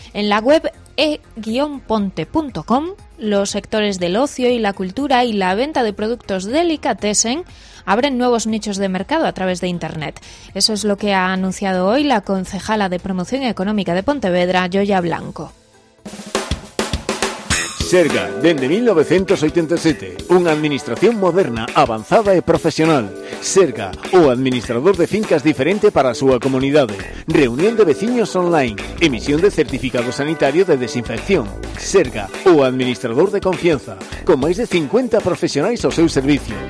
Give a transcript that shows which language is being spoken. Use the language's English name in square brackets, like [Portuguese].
[Spanish] En la web e-ponte.com, los sectores del ocio y la cultura y la venta de productos delicatessen abren nuevos nichos de mercado a través de Internet. Eso es lo que ha anunciado hoy la concejala de Promoción Económica de Pontevedra, Joya Blanco. [Galician] Serga, dende 1987, unha administración moderna, avanzada e profesional. Serga, o administrador de fincas diferente para a súa comunidade. Reunión de veciños online, emisión de certificado sanitario de desinfección. Serga, o administrador de confianza, con máis de 50 profesionais ao seu servicio.